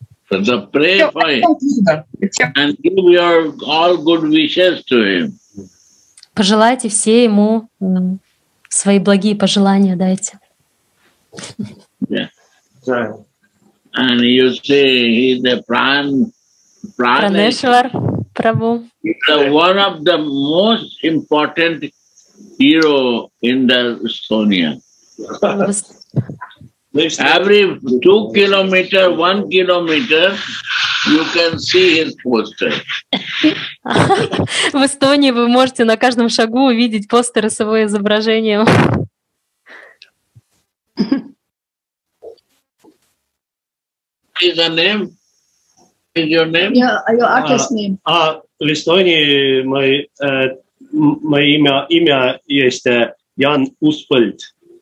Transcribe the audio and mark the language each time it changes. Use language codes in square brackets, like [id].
[en] So pray for him and give your all good wishes to him. [ru] Пожелайте все ему свои благие пожелания, дайте. [en] Yeah. And you see, he's the Praneshwar Prabhu. He's one of the most important hero in the Estonia. Every 2 kilometers, 1 kilometer, you can see his poster. [ru] В Эстонии вы можете на каждом шагу увидеть постеры с его изображением. [en] Is your name? Is your name? Yeah, your artist name. [ru] В Эстонии мое имя есть Ян Усфальд.